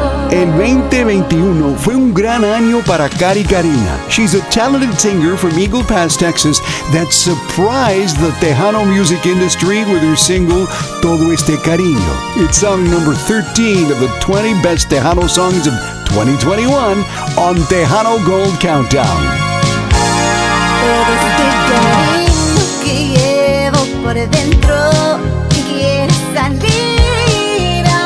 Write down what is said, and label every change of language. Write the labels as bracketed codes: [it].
[es] El 2021 fue un gran año para Cari Carina. [en] She's a talented singer from Eagle Pass, Texas, that surprised the Tejano music industry with her single, Todo Este Cariño. It's song number 13 of the 20 best Tejano songs of 2021 on Tejano Gold Countdown. [es] Todo este cariño que llevo por dentro quiere salir.